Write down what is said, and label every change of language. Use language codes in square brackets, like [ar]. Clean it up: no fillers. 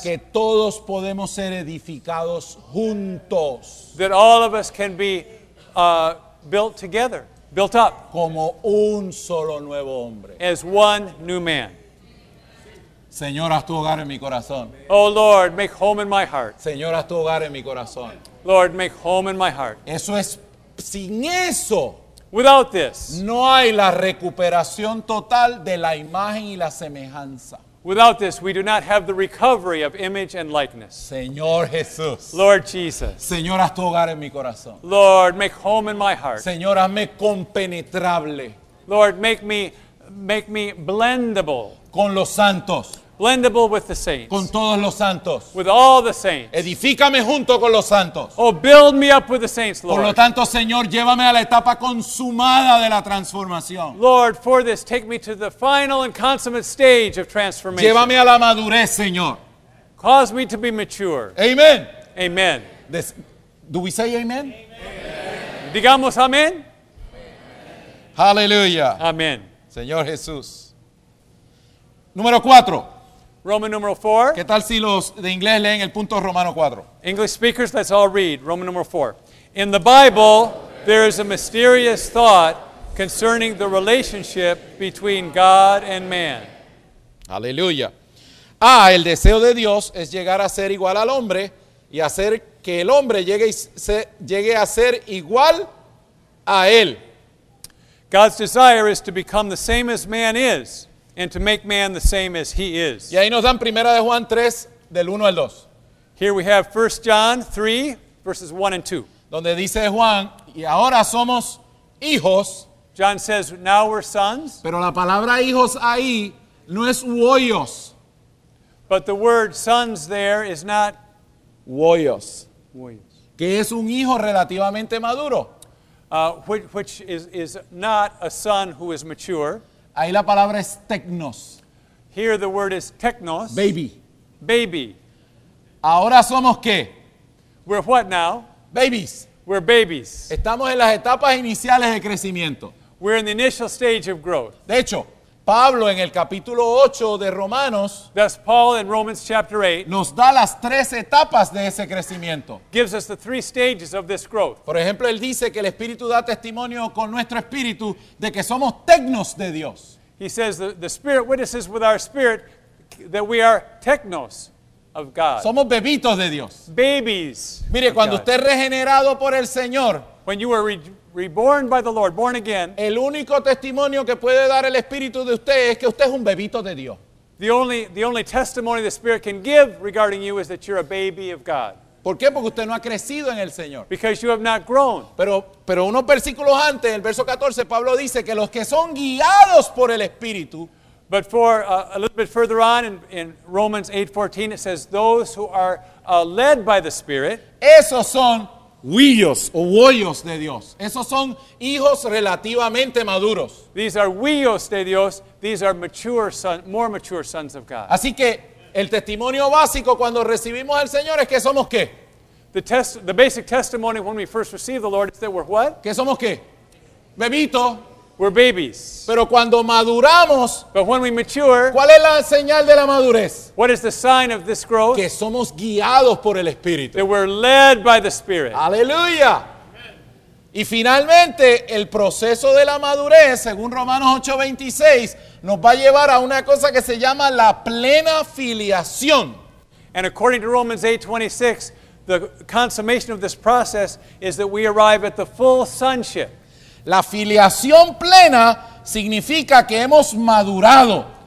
[es] Que todos podemos ser edificados juntos. [en] That all of us can be built together. Built up. [es] Como un solo nuevo hombre. [en] As one new man. [es] Señor, haz tu hogar en mi corazón. [en] Oh Lord, make home in my heart. [es] Señor, haz tu hogar en mi corazón. [en] Lord, make home in my heart. [es] Eso es, sin eso. [en] Without this. [es] No hay la recuperación total de la imagen y la semejanza. [en] Without this, we do not have the recovery of image and likeness. [es] Señor Jesús. [en] Lord Jesus. [es] Señor, haz tu hogar en mi corazón. [en] Lord, make home in my heart. [es] Señor, hazme compenetrable. [en] Lord, make me blendable. [es] Con los santos. [en] Blendable with the saints. [es] Con todos los santos. [en] With all the saints. [es] Edifícame junto con los santos. [en] Oh, build me up with the saints, Lord. [es] Por lo tanto, Señor, llévame a la etapa consumada de la transformación. [en] Lord, for this, take me to the final and consummate stage of transformation. [es] Llévame a la madurez, Señor. [en] Cause me to be mature. Amen. Amen. Do we say amen? Amen. [es] Digamos amén. [en] Hallelujah. Amen. [es] Señor Jesús. Número 4. [en] Roman numeral 4. [es] ¿Qué tal si los de inglés leen el punto romano 4? [en] English speakers, let's all read Roman numeral 4. In the Bible, there is a mysterious thought concerning the relationship between God and man. [es] Aleluya. El deseo de Dios es llegar a ser igual al hombre y hacer que el hombre llegue a ser igual a él. [en] God's desire is to become the same as man is and to make man the same as he is. [es] Y ahí nos dan Primera de Juan 3, del 1 al 2. [en] Here we have 1 John 3, verses 1 and 2. [es] Donde dice Juan, y ahora somos hijos. [en] John says, now we're sons. [es] Pero la palabra hijos ahí no es huoyos. [en] But the word sons there is not huoyos. Huoyos. [es] Que es un hijo relativamente maduro. [en] Which is not a son who is mature. [es] Ahí la palabra es technos. [en] Here the word is technos. Baby. Baby. [es] Ahora somos qué? [en] We're what now? Babies. We're babies. [es] Estamos en las etapas iniciales de crecimiento. [en] We're in the initial stage of growth. [es] De hecho, Pablo en el capítulo 8 de Romanos, [en] that's Paul in Romans chapter 8, [es] nos da las tres etapas de ese crecimiento. [en] Gives us the three stages of this growth. [es] Por ejemplo, él dice que el Espíritu da testimonio con nuestro espíritu de que somos technos de Dios. [en] He says the Spirit witnesses with our spirit that we are technos of God. [es] Somos bebitos de Dios. [en] Babies. [es] Mire, cuando God. Usted es regenerado por el Señor, [en] when you were reborn by the Lord, born again. [es] El único testimonio que puede dar el espíritu de usted es que usted es un bebito de Dios. [en] The only testimony the Spirit can give regarding you is that you're a baby of God. [es] ¿Por qué? Porque usted no ha crecido en el Señor. [en] Because you have not grown. [es] Pero unos versículos antes, el verso 14, Pablo dice que los que son guiados por el espíritu. [en] But for a little bit further on in Romans 8:14 it says those who are led by the Spirit. [es] Esos son huillos o huollos de Dios. Esos son hijos relativamente maduros. [en] These are huillos [es] de Dios. [en] These are mature sons, more mature sons of God. [es] Así que el testimonio básico cuando recibimos al Señor es que somos qué? [en] The basic testimony when we first receive the Lord is that we're what? [es] Que somos qué? Bebito. [en] We're babies. [es] Pero cuando maduramos, [en] but when we mature, [es] ¿cuál es la señal de la madurez? [en] What is the sign of this growth? [es] Que somos guiados por el Espíritu. [en] That we're led by the Spirit. [es] ¡Aleluya! Y finalmente, el proceso de la madurez, según Romanos 8:26, nos va a llevar a una cosa que se llama la plena filiación. [en] And according to Romans 8:26, the consummation of this process is that we arrive at the full sonship. [es] La filiación plena significa que hemos madurado.